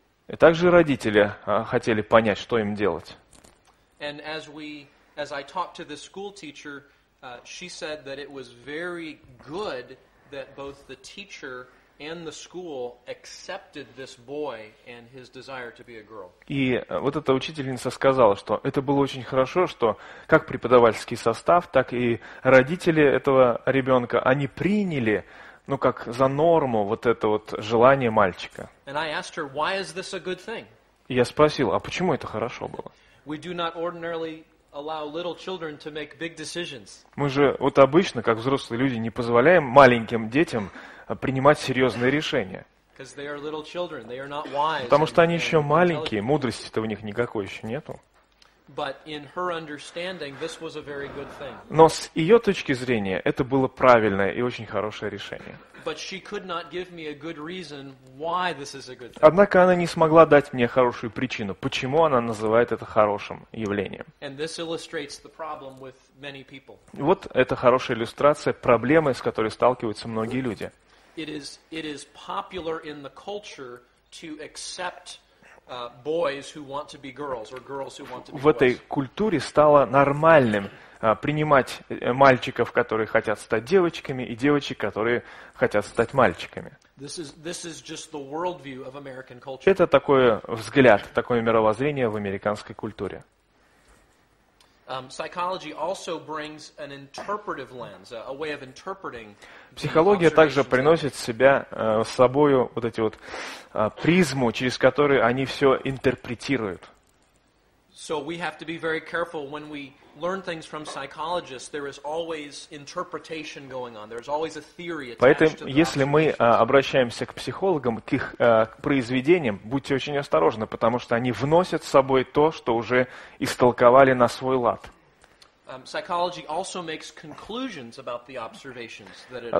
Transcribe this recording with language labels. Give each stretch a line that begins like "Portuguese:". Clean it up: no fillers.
Russian: И также родители хотели понять, что им делать.
English: And as we, as I talked to the school teacher, she said that it was very good that both the teacher and the school accepted this boy and his desire to be a girl.
Russian: И вот эта учительница сказала, что это было очень хорошо, что как преподавательский состав, так и родители этого ребенка, они приняли, ну, как за норму вот это вот желание мальчика.
English: And I asked her, why is this a good thing?
Russian: Я спросил, а почему это хорошо было?
English: We do not ordinarily allow little children to make big decisions.
Russian: Мы же вот обычно, как взрослые люди, не позволяем маленьким детям принимать серьезные решения.
English: Because they are little children, they are not wise.
Russian: Потому что они еще маленькие, мудрости-то у них никакой еще нету.
English: But in her understanding, this was a very good thing.
Russian: Но с ее точки зрения это было правильное и очень хорошее решение.
English: But she could not give me a good reason why this is a good thing.
Russian: Однако она не смогла дать мне хорошую причину, почему она называет это хорошим явлением.
English: And this illustrates the problem with many people.
Russian: Вот это хорошая иллюстрация проблемы, с которой сталкиваются многие люди.
English: It is popular in the culture to accept boys who want to be girls or girls who want to be boys.
Russian: В этой культуре стало нормальным принимать мальчиков, которые хотят стать девочками, и девочек, которые хотят стать мальчиками.
English: This is just the worldview of American culture.
Russian: Это такой взгляд, такое мировоззрение в американской культуре.
English: Psychology also brings an interpretive lens, a way of interpreting.
Russian: Психология также приносит себя с собой вот эти вот призму, через которую они все интерпретируют.
English: So we have to be very careful when we learn things from psychologists. There is always interpretation going on. There is always a theory attached.
Russian: Поэтому, если мы обращаемся к психологам, к их произведениям, будьте очень осторожны, потому что они вносят с собой то, что уже истолковали на свой лад.
English: Psychology also makes conclusions about the observations that it.